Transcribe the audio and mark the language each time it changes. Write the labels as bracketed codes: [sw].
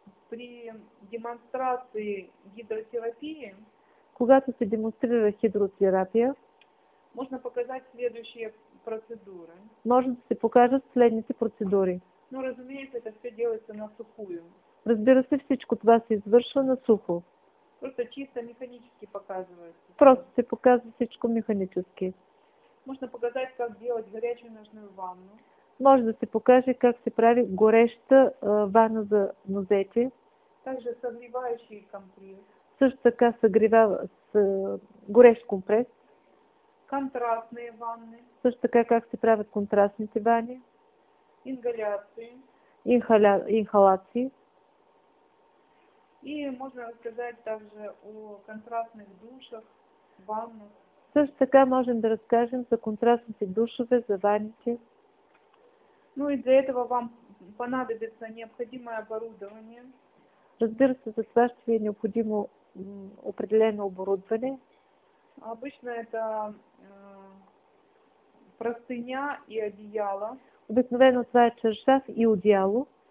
[ru] При демонстрации гидротерапии, [bg] когато се демонстрира хидротерапия, [ru] можно показать следующие процедуры. [bg] Можно да се покажат следните процедури. [ru] Ну, разумеется, это все делается на сухую. [bg] Разбира се, всичко това се извършва на сухо. [ru] Просто чисто механически показывается. [bg] Просто се показва всичко механически. [ru] Можно показать, как делать горячую ножную ванну. [bg] Може да се покаже как се прави гореща ванна за нозете. [ru] Также согревающий компрес. [bg] Също така съгревава с горещ компрес. [ru] Контрастные ванны. [bg] Също така как се правят контрастните вани. [ru] Ингаляции. [bg] Инхалации. [ru] И можно рассказать также о контрастных душах, ваннах. [bg] Също така можем да разкажем за контрастните душове, за ваните. [ru] Ну и для этого вам понадобится необходимое оборудование. [bg] Разбирается, за това ще ви е необходимо определено оборудване. [ru] Обычно это простыня и одеяло. [bg] Обикновено това е чаршаф и одеяло.